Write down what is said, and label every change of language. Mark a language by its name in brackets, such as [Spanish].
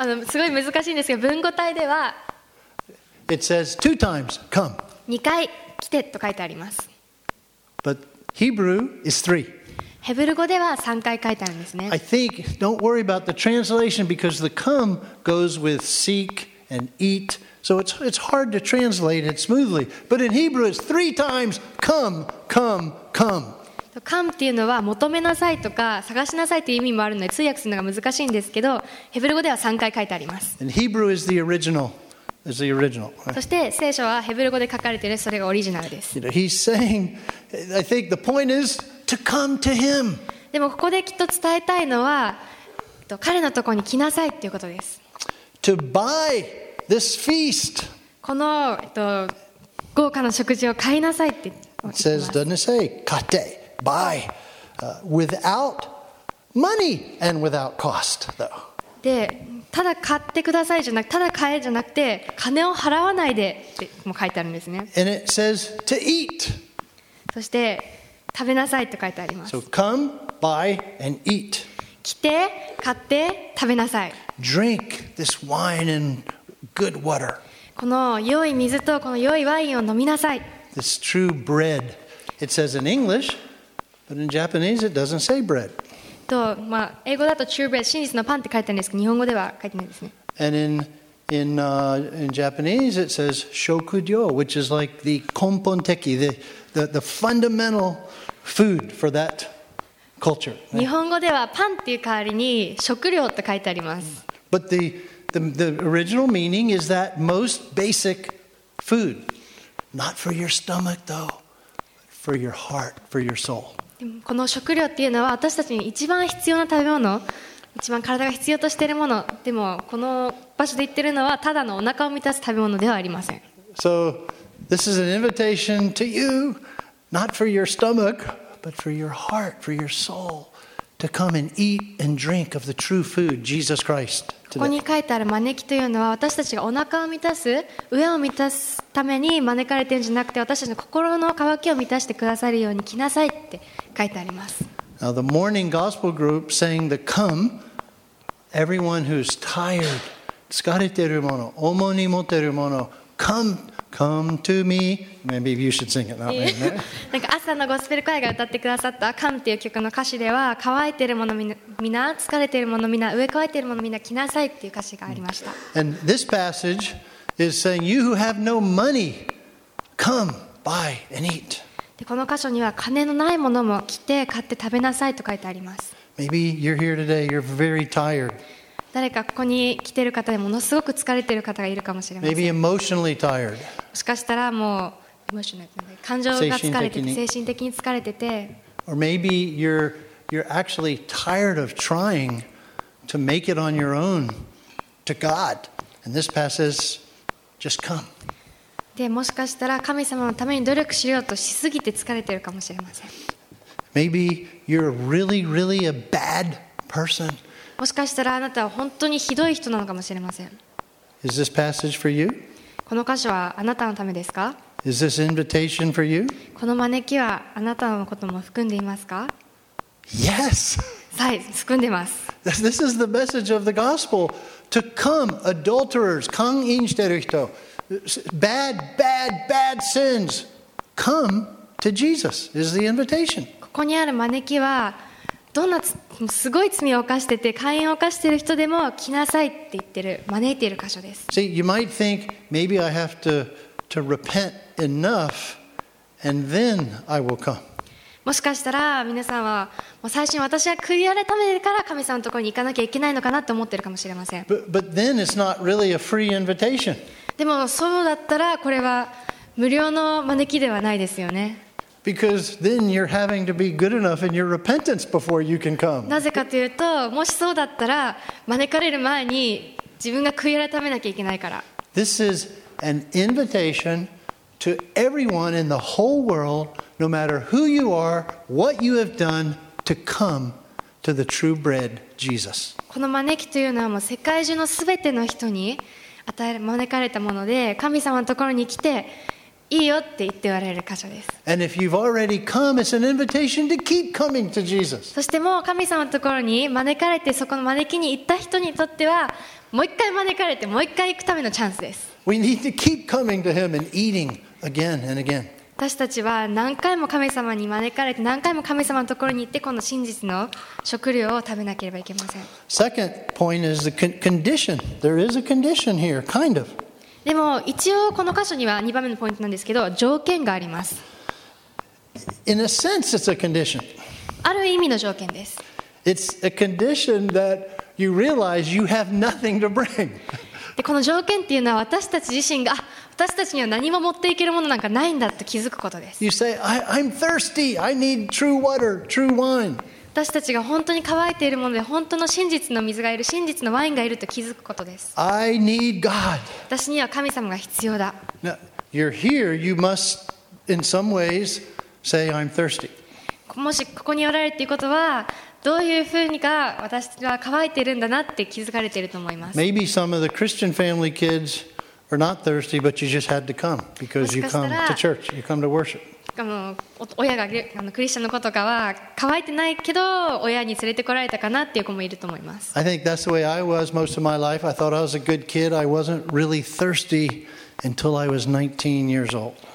[Japanese] すごい難しいんですけど、文語体では、 [English] It says two times, come. [Japanese] 2回来てと書いてあります。 [English] But Hebrew is three. [Japanese] ヘブル語では3回書いてあるんですね。 [English] I think, don't worry about the translation because the come goes with seek and eat. So it's hard to translate it smoothly. But in Hebrew, it's three times, come, come, come. [Japanese] Come っていうのは求めなさいとか探しなさいという意味もあるので通訳するのが難しいんですけど、ヘブル語では3回書いてあります。 [English] And Hebrew is the original. It's the original. [Japanese] そして聖書はヘブル語で書かれているそれがオリジナルです。 [English] You know, he's saying, I think the point is to come to him. [Japanese] でもここできっと伝えたいのは、彼のところに来なさいっていうことです。 [English] To buy this feast. [Japanese] この豪華な食事を買いなさいって言ってます。 [English] It says, doesn't it say, [Japanese] 買って。 [English] Buy without money and without cost, though. [Japanese] で、ただ買ってくださいじゃなく、ただ買えじゃなくて、金を払わないでっても書いてあるんですね。 [English] And it says to eat. [Japanese] そして食べなさいと書いてあります。 [English] So come, buy and eat. [Japanese] 来て、買って、食べなさい。 [English] Drink this wine and good water. [Japanese] この良い水とこの良いワインを飲みなさい。 [English] This true bread. It says in English. But in Japanese, it doesn't say bread. [Japanese] と、まあ英語だと [English] true bread、 [Japanese] 真実のパンって書いてあるんですけど、日本語では書いてないですね。 [English] And in Japanese, it says shokudyo, which is like the konponteki, the fundamental food for that culture. [Japanese] 日本語ではパンっていう代わりに食料って書いてあります。 [English] But the original meaning is that most basic food, not for your stomach though, but for your heart, for your soul. [Japanese] この食料っていうのは私たちに一番必要な食べ物、一番体が必要としているもの。でもこの場所で言ってるのはただのお腹を満たす食べ物ではありません。 [English] So this is an invitation to you, not for your stomach, but for your heart, for your soul, to come and eat and drink of the true food, Jesus Christ. [Japanese] ここに書いてある招きというのは私たちがお腹を満たす、上を満たすために招かれているんじゃなくて、私たちの心の渇きを満たしてくださるように来なさいって。 [English] Now the morning gospel group sang the come. Everyone who's tired, [Japanese] 疲れてるもの、重荷持ってるもの、 [English] come, come to me. Maybe you should sing it. [Japanese] なんか朝のゴスペル会が歌ってくださった come っていう曲の歌詞では、乾いてるものみな、疲れてるものみな、上乾いてるものみな来なさいっていう歌詞がありました。 [English] And this passage is saying, you who have no money, come, buy and eat. [Japanese] でこの箇所には金のないものも来て買って食べなさいと書いてあります。 [English] Maybe you're here today, you're very tired. [Japanese] 誰かここに来ている方でものすごく疲れている方がいるかもしれません。 [English] Maybe emotionally tired. [Japanese] もしかしたらもう感情が疲れてて精神的に疲れてて、 [English] Or maybe you're actually tired of trying to make it on your own to God. And this passage, just come. [Japanese] でもしかしたら神様のために努力しようとしすぎて疲れてるかもしれません。 [English] Maybe you're really, really a bad person. [Japanese] もしかしたらあなたは本当にひどい人なのかもしれません。 [English] Is this passage for you? [Japanese] この箇所はあなたのためですか？ [English] Is this invitation for you? [Japanese] この招きはあなたのことも含んでいますか？ [English] Yes. [Japanese] はい、含んでます。 [English] This is the message of the gospel. To come, adulterers, come in [Japanese] してる人、 [English] bad, bad, bad sins, come to Jesus. Is the invitation. [Japanese] ここにある招きはどんなすごい罪を犯してて姦淫を犯してる人でも来なさいって言ってる招いている箇所です。 [English] See, you might think maybe I have to. To repent enough, and then I will come. [Japanese] もしかしたら皆さんはもう最初に私は悔い改めてから神様のところに行かなきゃいけないのかなと思ってるかもしれません。 [English] But then it's not really a free invitation. [Japanese] でもそうだったらこれは無料の招きではないですよね。 [English] Because then you're having to be good enough in your repentance before you can come. [Japanese] なぜかというと、もしそうだったら招かれる前に自分が悔い改めなきゃいけないから。 [English] This is. An invitation to everyone in the whole world, no matter who you are, what you have done, to come to the true bread, Jesus. [Japanese] この招きというのはもう世界中のすべての人に与え招かれたもので、神様のところに来ていいよって言っておられる箇所です。 [English] And if you've already come, it's an invitation to keep coming to Jesus. [Japanese] そしてもう神様のところに招かれてそこの招きに行った人にとってはもう一回招かれてもう一回行くためのチャンスです。 [English] We need to keep coming to Him and eating again and again. [Japanese] 私たちは何回も神様に招かれて、何回も神様のところに行って、この真実の食料を食べなければいけません。 [English] Second point is the condition. There is a condition here, kind of. [Japanese] でも一応この箇所には2番目のポイントなんですけど、条件があります。 [English] In a sense, it's a condition. [Japanese] ある意味の条件です。 [English] It's a condition that you realize you have nothing to bring. [Japanese] でこの条件っていうのは私たち自身が私たちには何も持っていけるものなんかないんだと気づくことです。 [English] You say, I'm thirsty. I need true water, true wine. [Japanese] 私たちが本当に渇いているもので本当の真実の水がいる真実のワインがいると気づくことです。 [English] I need God. [Japanese] 私には神様が必要だ。 [English] Now, you're here. You must in some ways say, I'm thirsty. [Japanese] もしここにおられるということはどういうふうにか私は乾いているんだなって気づかれていると思います。 [English] Maybe some of the Christian family kids are not thirsty, but you just had to come because you come to church, you come to worship. [Japanese] もしかしたら、親がクリスチャンの子とかは乾いてないけど親に連れてこられたかなっていう子もいると思います。 [English] I think that's the way I was most of my life. I thought I was a good kid. I wasn't really thirsty until I was 19 years old.